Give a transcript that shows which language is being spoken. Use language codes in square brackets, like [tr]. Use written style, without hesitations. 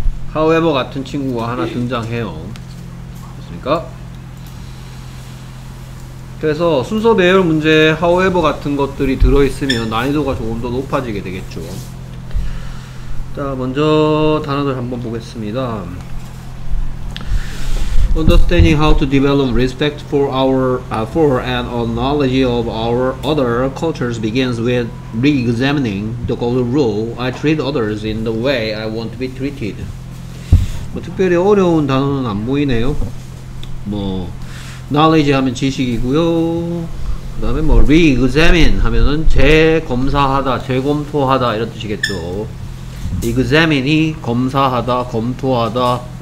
[ko] however 같은 친구가 하나 등장해요. 됐습니까? 그래서 순서 배열 문제에 however 같은 것들이 들어있으면 난이도가 조금 더 높아지게 되겠죠. 자, 먼저 단어들 한번 보겠습니다. [en] Understanding how to develop respect for our for and a knowledge of our other cultures begins with re-examining the golden rule. I treat others in the way I want to be treated. [ko] 뭐 특별히 어려운 단어는 안 보이네요. 뭐 knowledge 하면 지식이고요. 그다음에 뭐 re-examine 하면은 재검사하다, 재검토하다 이런 뜻이겠죠. Examine이 검사하다, 검토하다.